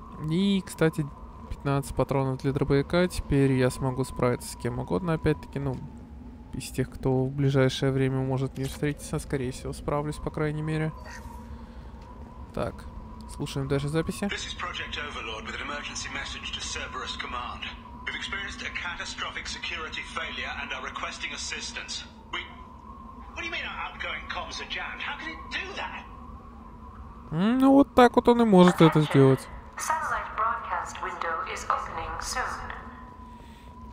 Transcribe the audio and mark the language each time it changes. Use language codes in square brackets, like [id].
[ru] И, кстати, 15 патронов для дробовика. Теперь я смогу справиться с кем угодно, опять-таки, ну... Из тех, кто в ближайшее время может мне встретиться, скорее всего, справлюсь, по крайней мере. Так, слушаем дальше записи. [en] This is Project Overlord with an emergency message to Cerberus Command. We've experienced a catastrophic security failure and are requesting assistance. We... What do you mean our outgoing comms are jammed? How can it do that? [ru] Ну, вот так вот он и может это сделать. [en] Satellite broadcast window is opening soon.